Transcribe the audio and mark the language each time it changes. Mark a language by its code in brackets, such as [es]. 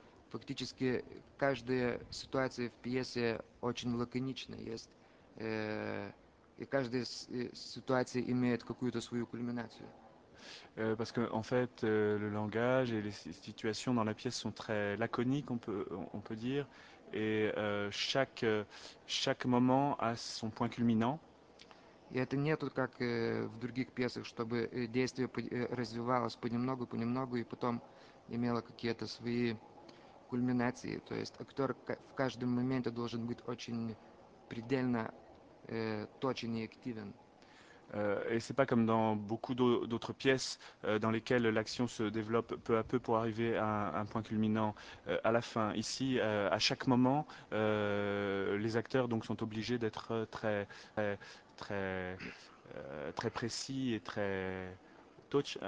[ru] Фактически каждая ситуация в пьесе очень лаконична есть, и каждая ситуация имеет какую-то свою кульминацию. [fr] Parce que en fait le langage et les situations dans la pièce sont très laconiques, on peut dire, et chaque moment a son point culminant. [ru] И это нету как в других пьесах, чтобы действие развивалось понемногу и потом имело какие-то свои кульминации, то есть актер в каждом моменте должен быть очень предельно точен и активен. [fr] Et c'est pas comme dans beaucoup d'autres pièces dans lesquelles l'action se développe peu à peu pour arriver à un point culminant à la fin. Ici, à chaque moment, les acteurs donc sont obligés d'être très très très très précis et très touch.